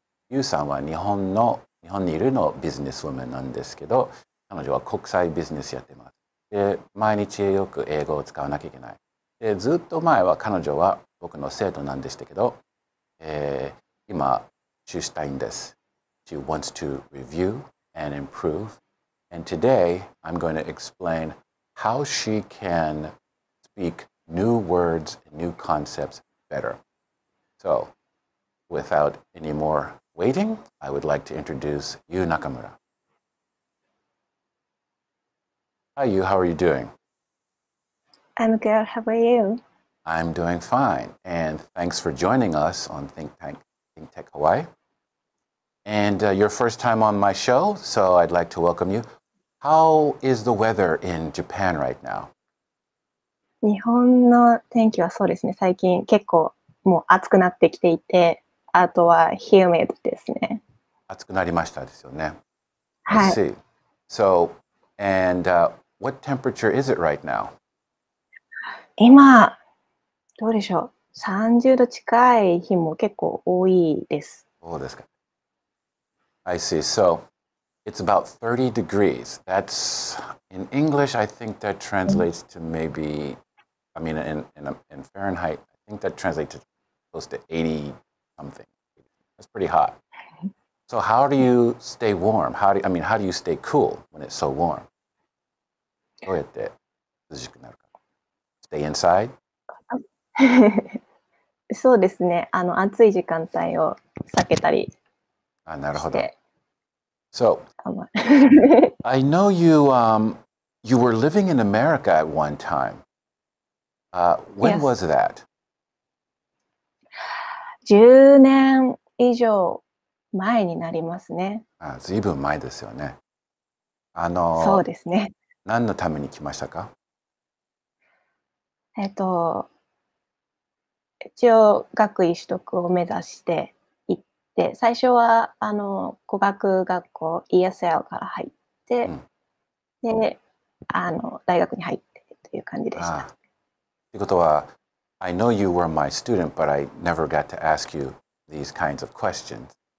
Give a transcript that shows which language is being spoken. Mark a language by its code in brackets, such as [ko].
[ja] Yu-san は日本にいるのビジネスウォーマンなんですけど、彼女は国際ビジネスやってます。で、毎日よく英語を使わなきゃいけない。で、ずっと前は彼女は僕の生徒なんでしたけど、今、中したいんです。 [en] She wants to review and improve. And today, I'm going to explain how she can speak new words and new concepts better. So, without any more waiting, I would like to introduce Yu Nakamura. Hi Yu, how are you doing? I'm good, how are you? I'm doing fine, and thanks for joining us on ThinkTech Hawaii. And your first time on my show, so I'd like to welcome you. How is the weather in Japan right now? [ja] 日本の天気はそうですね、最近結構もう暑くなってきていて、あとは humid ですね。暑くなりましたですよね。はい。 [en] I see. So, and what temperature is it right now? [ja] 今、どうでしょう。 30度近い日も結構多いです。そうですか。 [en] I see. So, it's about 30 degrees. That's, in English, I think that translates to maybe, I mean, in Fahrenheit, I think that translates to close to 80-something. That's pretty hot. So how do you stay warm? How do you stay cool when it's so warm? [ja] どうやって涼しくなるか? [en] Stay inside? [ja] そうですね。あの、暑い時間帯を避けたりして。あ、なるほど。 [en] So, I know you, you were living in America at one time. When was that? [ja] 10年以上前になりますね。あ、ずいぶん前ですよね。あの、そうですね。何のために来ましたか？一応学位取得を目指して、で最初はあの語学学校 ESL から入って、うん、であの大学に入ってという感じでした。ということは、 [en] I know you were my student, but I never got to ask you these kinds of questions.